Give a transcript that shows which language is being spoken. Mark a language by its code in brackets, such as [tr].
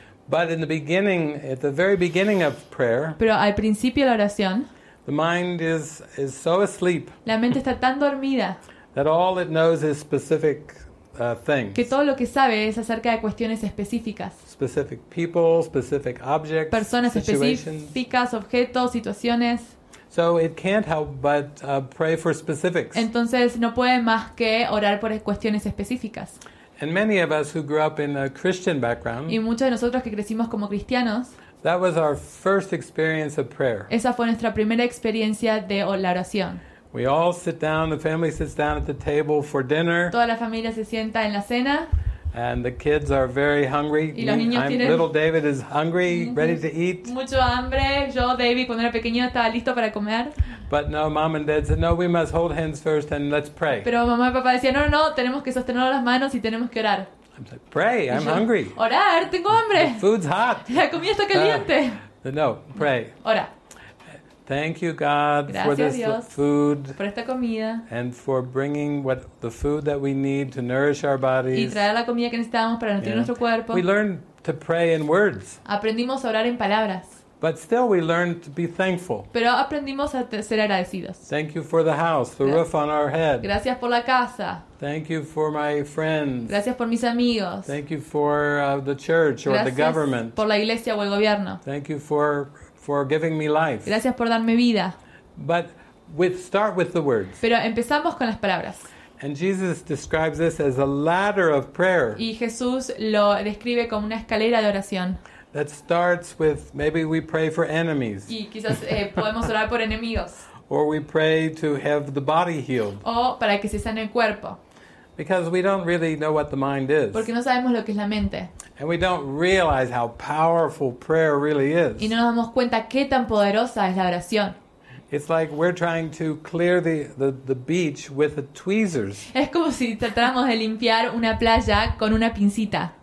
[en] But in the beginning, at the very beginning of prayer, [es] pero al principio de la oración, [en] the mind is so asleep, [es] la mente está tan dormida, [en] that all it knows is specific things. [es] Que todo lo que sabe es acerca de cuestiones específicas. [en] Specific people, specific objects, [es] personas [en] situations. [es] Específicas, objetos, situaciones. [en] So it can't help but pray for specifics. [es] Entonces no puede más que orar por cuestiones específicas. [en] And many of us who grew up in a Christian background. [es] Y muchos de nosotros que crecimos como cristianos. [en] That was our first experience of prayer. [es] Esa fue nuestra primera experiencia de la oración. [en] We all sit down, the family sits down at the table for dinner. [es] Toda la familia se sienta en la cena. [en] And the kids are very hungry. [es] Y los niños tienen... [en] Little David is hungry, ready to eat. [es] Mucho hambre. Yo, David, cuando era pequeño estaba listo para comer. [en] But no, mom and dad said, no, we must hold hands first and let's pray. [es] Pero mamá y papá decían, no, tenemos que sostener las manos y tenemos que orar. [en] I'm like, pray, I'm hungry. [es] Orar, tengo hambre. [en] The food's hot. [es] La comida está caliente. [en] No, pray. [es] Ora. [en] Thank you, God, [es] gracias [en] for this [es] Dios, [en] food [es] por esta comida, [en] and for bringing what the food that we need to nourish our bodies. [es] Y traer la comida que necesitamos para nutrir nuestro cuerpo. [en] We learn to pray in words. [es] Aprendimos a orar en palabras. [en] But still, we learn to be thankful. [es] Pero aprendimos a ser agradecidos. [en] Thank you for the house, the roof on our head. [es] Gracias por la casa. [en] Thank you for my friends. [es] Gracias por mis amigos. [en] Thank you for the church or [es] gracias [en] the government. [es] Por la iglesia o el gobierno. [en] Thank you for giving me life. [es] Gracias por darme vida. [en] But start with the words. [es] Pero empezamos con las palabras. [en] And Jesus describes this as a ladder of prayer. [es] Y Jesús lo describe como una escalera de oración. [en] That starts with maybe we pray for enemies. [es] Y quizás podemos orar por enemigos. [en] Or we pray to have the body healed. [es] O para que se sane el cuerpo. [en] Because we don't really know what the mind is. [es] Porque no sabemos lo que es la mente. [en] And we don't realize how powerful prayer really is. [es] Y no nos damos cuenta qué tan poderosa es la oración. [en] It's like we're trying to clear the beach with the tweezers. [es] Es como si tratáramos de limpiar una playa con una pincita.